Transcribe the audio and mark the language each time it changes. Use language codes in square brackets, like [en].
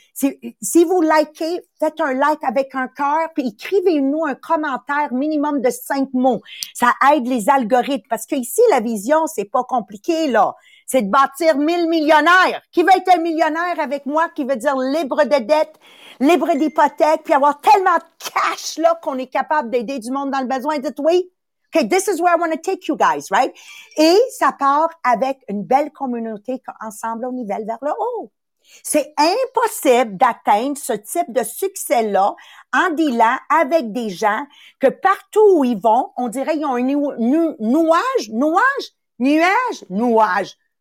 [fr] Si vous likez, faites un like avec un cœur, puis écrivez-nous un commentaire minimum de 5 mots. Ça aide les algorithmes. Parce que ici, la vision, c'est pas compliqué, là. C'est de bâtir 1 000 millionnaires. Qui veut être un millionnaire avec moi? Qui veut dire libre de dettes, libre d'hypothèques, puis avoir tellement de cash, là, qu'on est capable d'aider du monde dans le besoin? Dites oui. [en] Okay, this is where I want to take you guys, right? [fr] Et ça part avec une belle communauté ensemble au niveau vers le haut. C'est impossible d'atteindre ce type de succès-là en dealant avec des gens que partout où ils vont, on dirait qu'ils ont un nuage.